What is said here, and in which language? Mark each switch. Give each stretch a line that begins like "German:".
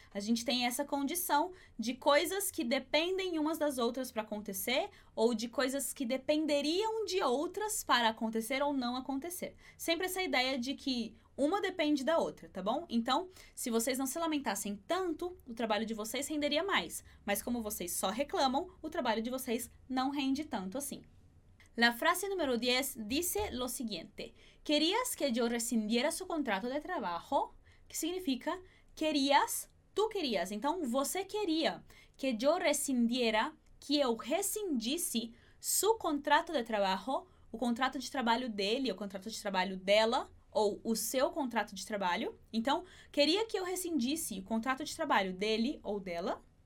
Portuguese: A gente tem essa condição de coisas que dependem umas das outras para acontecer ou de coisas que dependeriam de outras para acontecer ou não acontecer. Sempre essa ideia de que uma depende da outra, tá bom? Então, se vocês não se lamentassem tanto, o trabalho de vocês renderia mais. Mas como vocês só reclamam, o trabalho de vocês não rende tanto assim.
Spanish: La frase número 10 dice lo siguiente: querías que yo rescindiera su contrato de trabajo, que significa querías, tú querías.
Portuguese: Então, você queria
Spanish: que yo rescindiera,
Portuguese: que eu rescindisse
Spanish: su contrato de trabajo,
Portuguese: o contrato de trabalho dele, o contrato de trabalho dela, ou o seu contrato de trabalho. Então, queria que eu rescindisse o contrato de trabalho dele ou dela.